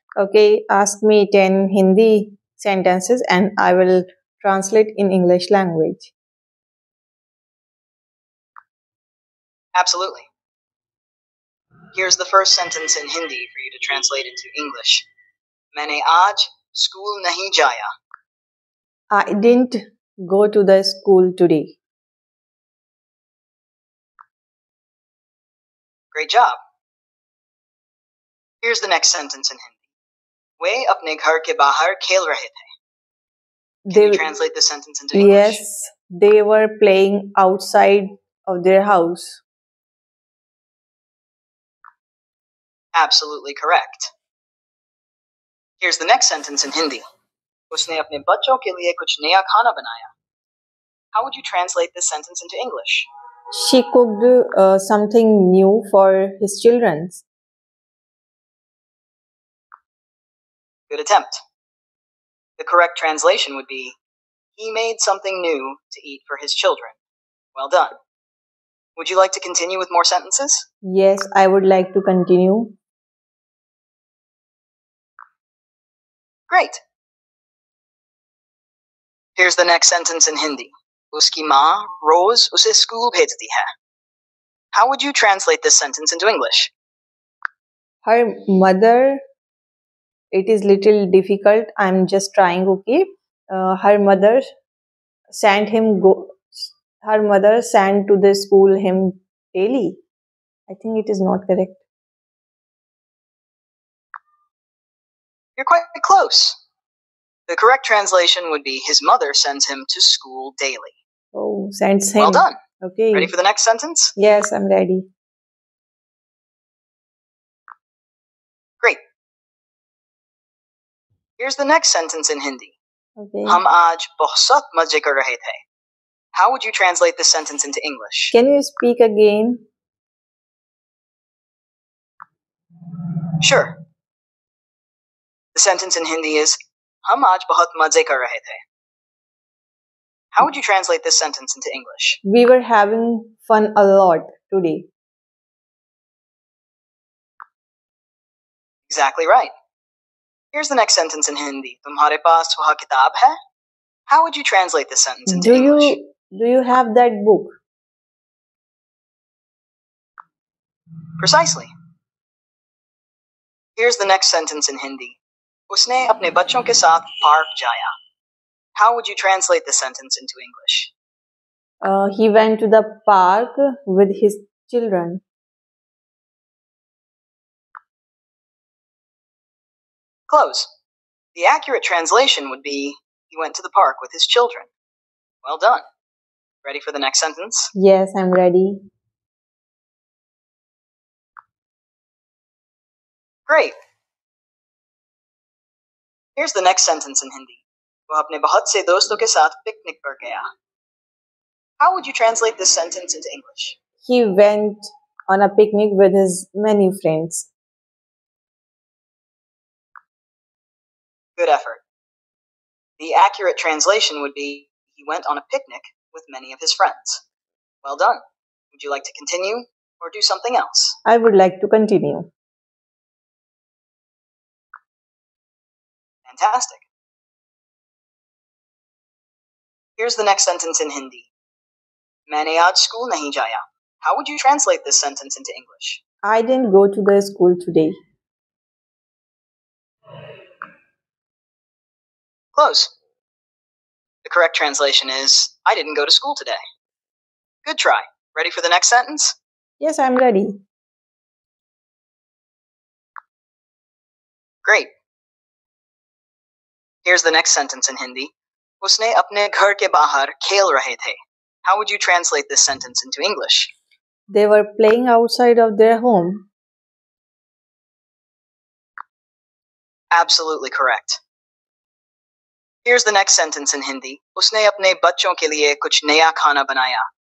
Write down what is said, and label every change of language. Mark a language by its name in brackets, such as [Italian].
[English] Okay, ask me 10 Hindi sentences and I will translate in English language. Absolutely. Here's the first sentence in Hindi for you to translate into English. [Hindi] मैंने आज school नहीं जाया. [English] I didn't go to the school today. Great job. Here's the next sentence in Hindi. [Hindi] वे अपने घर के बाहर खेल रहे थे. [English] Can you translate the sentence into English? Yes, they were playing outside of their house. Absolutely correct. Here's the next sentence in Hindi. [Hindi] उसने अपने बच्चो के लिए कुछ नया खाना बनाया. [English] How would you translate this sentence into English? She cooked something new for his children. Good attempt. The correct translation would be, he made something new to eat for his children. Well done. Would you like to continue with more sentences? Yes, I would like to continue. Great. Here's the next sentence in Hindi. [Hindi] उसकी मा रोज़ उससे school भेजती है. [English] How would you translate this sentence into English? Her mother, it is little difficult, I'm just trying, okay. Her mother sent to the school him daily. I think it is not correct. You're quite close. The correct translation would be, his mother sends him to school daily. Oh, sends him. Well done. Okay. Ready for the next sentence? Yes, I'm ready. Great. Here's the next sentence in Hindi. Okay. [Hindi] हम आज बहुत मज़े कर रहे थे. [English] How would you translate this sentence into English? Can you speak again? Sure. The sentence in Hindi is, [Hindi] hum aaj bahut maze kar rahe the. [English] How would you translate this sentence into English? We were having fun a lot today. Exactly right. Here's the next sentence in Hindi. [Hindi] तुम्हारे पास वो किताब है? [English] How would you translate this sentence into English? Do you have that book? Precisely. Here's the next sentence in Hindi. [Hindi] उसने अपने बच्चों के साथ park जाया. [English] How would you translate the sentence into English? He went to the park with his children. Close. The accurate translation would be, he went to the park with his children. Well done. Ready for the next sentence? Yes, I'm ready. Great. Here's the next sentence in Hindi. [Hindi] वो अपने बहुत से दोस्तों के साथ picnic पर गया. [English] How would you translate this sentence into English? He went on a picnic with his many friends. Good effort. The accurate translation would be, he went on a picnic with many of his friends. Well done. Would you like to continue or do something else? I would like to continue. Fantastic. Here's the next sentence in Hindi. [Hindi] मैंने आज school नहीं जाया. [English] How would you translate this sentence into English? I didn't go to the school today. Close. The correct translation is, I didn't go to school today. Good try. Ready for the next sentence? Yes, I'm ready. Great. Here's the next sentence in Hindi. [Hindi] उसने अपने घर के बाहर खेल रहे थे. [English] How would you translate this sentence into English? They were playing outside of their home. Absolutely correct. Here's the next sentence in Hindi. [Hindi] उसने अपने बच्चों के लिए कुछ नया खाना बनाया.